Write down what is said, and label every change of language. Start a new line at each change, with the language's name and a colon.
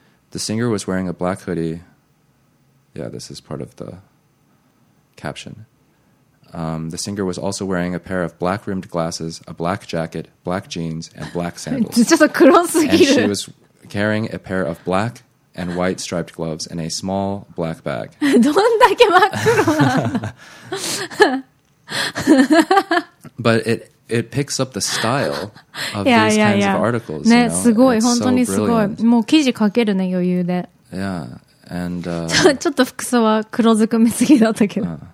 English: The singer was wearing a black hoodie. Yeah, this is part of the caption. The singer was also wearing a pair of black rimmed glasses, a black jacket, black jeans, and black sandals. It's just a cross. And she was carrying a pair of black and white striped gloves and a small black bag.
Japanese: どんだけ真っ黒なんだ?
English: But it picks up the style of yeah, these yeah, kinds yeah. of articles.
Japanese: ね、
English: you know?
Japanese: すごい、
English: It's
Japanese: 本当にすごい。もう記事書けるね、余裕で。
English: Yeah, and...
Japanese: ちょっと服装は黒ずくめすぎだったけど。